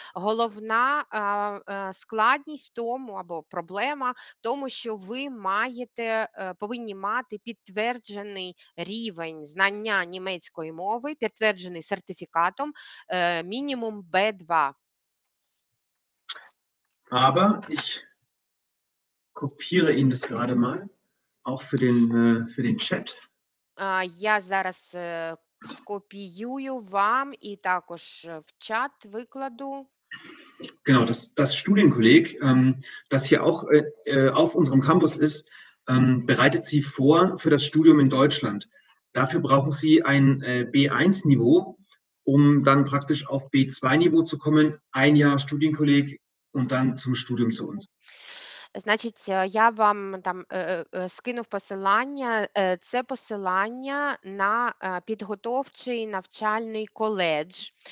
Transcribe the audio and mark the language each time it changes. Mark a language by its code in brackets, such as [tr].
[uk] Головна складність в тому, або проблема в тому, що ви маєте, повинні мати підтверджений рівень знання німецької мови, підтверджений сертифікатом, мінімум B2. [de] Aber ich kopiere Ihnen das gerade mal, auch für den Chat. [uk] Я зараз скопіюю вам і також в чат викладу. [de] Genau, das Studienkolleg, das hier auch auf unserem Campus ist, bereitet Sie vor für das Studium in Deutschland. Dafür brauchen Sie ein B1-Niveau, um dann praktisch auf B2-Niveau zu kommen, ein Jahr Studienkolleg und dann zum Studium zu uns. [uk] Значить, я вам там скинув посилання. Це посилання на підготовчий навчальний коледж.